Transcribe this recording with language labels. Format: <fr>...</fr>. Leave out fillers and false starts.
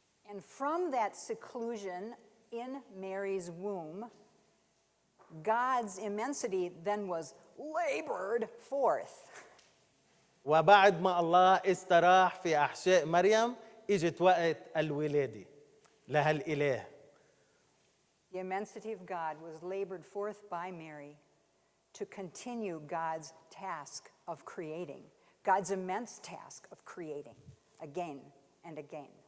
<en>And from that seclusion in Mary's womb, God's immensity then was labored forth.</en> <ar>وبعد ما الله استراح في أحشاء مريم إجت وقت الولادة لهالإله.</ar> <en>The immensity of God was labored forth by Mary to continue God's task of creating, God's immense task of creating again and again.</en>